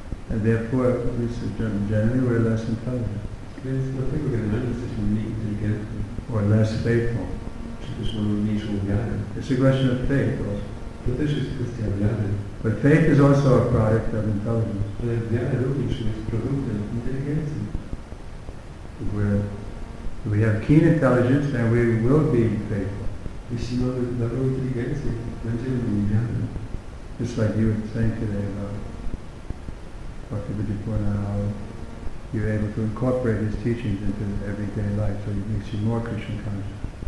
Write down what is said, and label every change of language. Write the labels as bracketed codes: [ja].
[en] And therefore, we said, generally we're less intelligent. [pl] Więc dlatego generalnie jesteśmy mniej inteligentni. [en] Or less faithful. [pl] Czy też mamy mniejszą wiarę. [en] It's a question of faith also. [pl] To też jest kwestia wiary. [en] But faith is also a product of intelligence. [pl] Ale wiara również jest produktem inteligencji. [en] We have keen intelligence and we will be faithful. [pl] Jeśli mamy dobrą inteligencję, będziemy mieli wiarę. [en] Just like you were saying today about Bhaktivedanta, you're able to incorporate his teachings into everyday life, so it makes you more Krishna conscious.